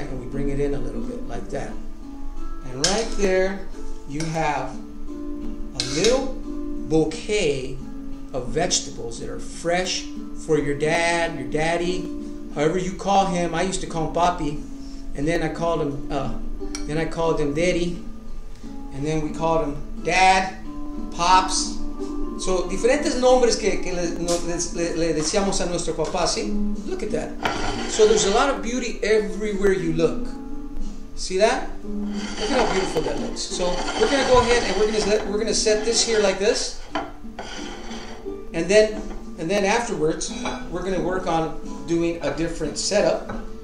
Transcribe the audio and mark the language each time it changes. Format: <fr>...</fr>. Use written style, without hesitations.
<en>And we bring it in a little bit like that. And right there, you have a little bouquet of vegetables that are fresh for your dad, your daddy, however you call him. I used to call him Papi, and then I called him, Daddy, and then we called him Dad, Pops.</en> <es>So, diferentes nombres que le decíamos a nuestro papá, ¿sí?</es> <en>Look at that. So, there's a lot of beauty everywhere you look. See that? Look at how beautiful that looks. So we're going to go ahead and we're going to set this here like this. And then afterwards, we're going to work on doing a different setup.</en>